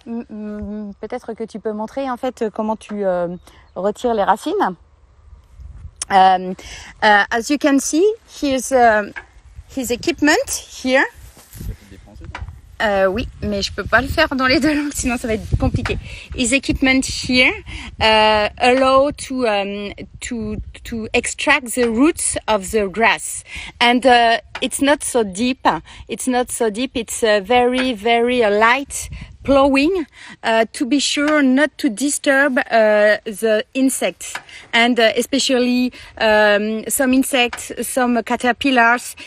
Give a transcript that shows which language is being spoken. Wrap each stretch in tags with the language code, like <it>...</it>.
<fr>peut-être que tu peux montrer en fait comment tu retires les racines.</fr> <en>As you can see, here's his equipment here.</en> <fr>Oui, mais je peux pas le faire dans les deux langues, sinon ça va être compliqué.</fr> <en>His equipment here allow to extract the roots of the grass, and it's not so deep. It's not so deep. It's very, very light plowing to be sure not to disturb the insects, and especially some insects, some caterpillars.</en>